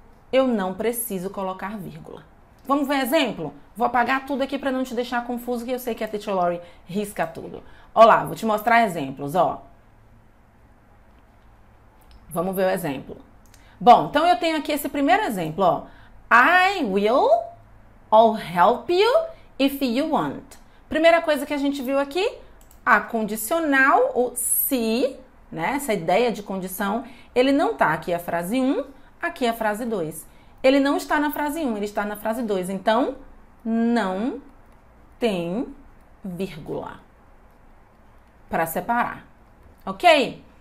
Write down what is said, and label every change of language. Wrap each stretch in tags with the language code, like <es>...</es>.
<pt>Eu não preciso colocar vírgula. Vamos ver exemplo? Vou apagar tudo aqui para não te deixar confuso, que eu sei que a Teacher Lori risca tudo. Olá, vou te mostrar exemplos, ó. Vamos ver o exemplo. Bom, então eu tenho aqui esse primeiro exemplo, ó.</pt> <en>I will all help you if you want.</en> <pt>Primeira coisa que a gente viu aqui, a condicional, o se, né? Essa ideia de condição, ele não tá aqui a frase 1, aqui a frase 2. Ele não está na frase 1, ele está na frase 2. Então, não tem vírgula para separar. Ok?</pt>